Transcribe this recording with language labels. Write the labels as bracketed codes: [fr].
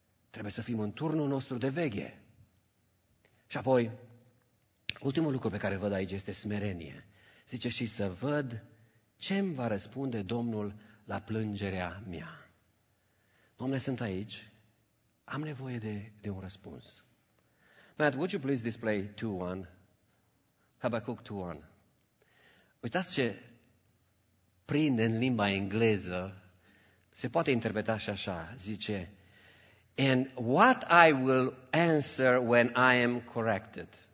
[ro] Trebuie să fim în turnul nostru de veghe. Și apoi, ultimul lucru pe care îl văd aici este smerenie. Zice, și să văd ce îmi va răspunde Domnul la plângerea mea. Domnule, sunt aici, am nevoie de un răspuns. [en] Matt, would you please display 2-1? [ro] Habacuc 2-1. Uitați ce prinde în limba engleză, se poate interpreta și așa, zice, [en] and what I will answer when I am corrected.